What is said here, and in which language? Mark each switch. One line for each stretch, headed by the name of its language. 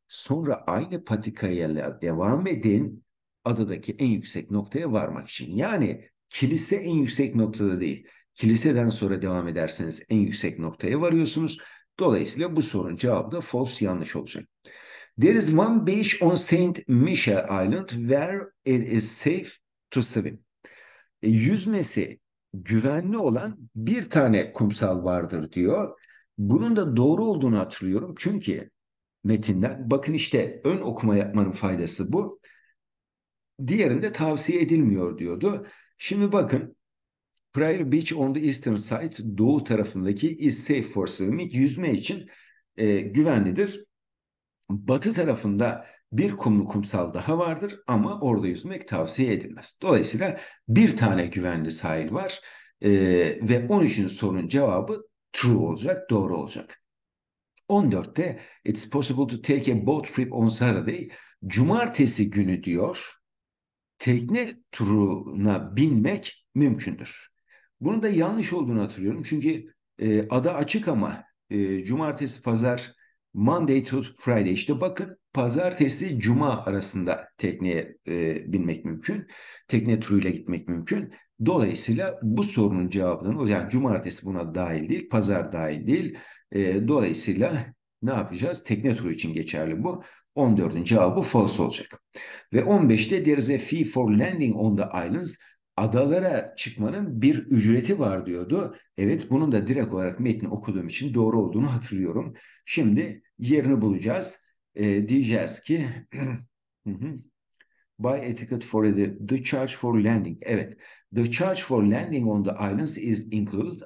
Turkish: Sonra aynı patikayla devam edin adadaki en yüksek noktaya varmak için. Yani kilise en yüksek noktada değil. Kiliseden sonra devam ederseniz en yüksek noktaya varıyorsunuz. Dolayısıyla bu sorunun cevabı da false, yanlış olacak.
English: There is one beach on Saint Michael Island where it is safe to swim.
Turkish: Yüzmesi güvenli olan bir tane kumsal vardır diyor. Bunun da doğru olduğunu hatırlıyorum. Çünkü metinden bakın işte ön okuma yapmanın faydası bu. Diğerinde tavsiye edilmiyor diyordu. Şimdi bakın.
English: Prairie Beach on the eastern side,
Turkish: doğu tarafındaki
English: is safe for swimming,
Turkish: yüzme için güvenlidir. Batı tarafında bir kumlu kumsal daha vardır ama orada yüzmek tavsiye edilmez. Dolayısıyla bir tane güvenli sahil var ve 13'ün sorunun cevabı true olacak, doğru olacak.
English: 14'te it's possible to take a boat trip on Saturday.
Turkish: Cumartesi günü diyor, tekne turuna binmek mümkündür. Bunun da yanlış olduğunu hatırlıyorum. Çünkü ada açık ama cumartesi, pazar,
English: Monday to Friday
Turkish: işte bakın pazartesi, cuma arasında tekneye binmek mümkün. Tekne turuyla gitmek mümkün. Dolayısıyla bu sorunun cevabını, yani cumartesi buna dahil değil, pazar dahil değil. Dolayısıyla ne yapacağız? Tekne turu için geçerli bu. 14'ün cevabı false olacak.
English: Ve 15'te there is a fee for landing on the islands.
Turkish: Adalara çıkmanın bir ücreti var diyordu. Evet, bunun da direkt olarak metni okuduğum için doğru olduğunu hatırlıyorum. Şimdi yerini bulacağız. Diyeceğiz ki
English: by etiquette for the charge for landing. Evet, the charge for landing on the islands is included.